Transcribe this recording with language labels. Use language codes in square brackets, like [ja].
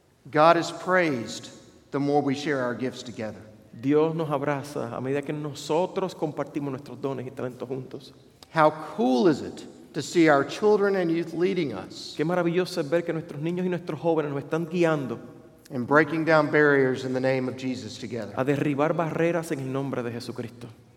[en] God is praised the more we share our gifts together. [es] Dios nos abraza a medida que nosotros compartimos nuestros dones y talentos juntos. [en] How cool is it to see our children and youth leading us? [es] Qué maravilloso es ver que nuestros niños y nuestros jóvenes nos están guiando. [en] And breaking down barriers in the name of Jesus together. [es] A derribar barreras en el nombre de Jesucristo.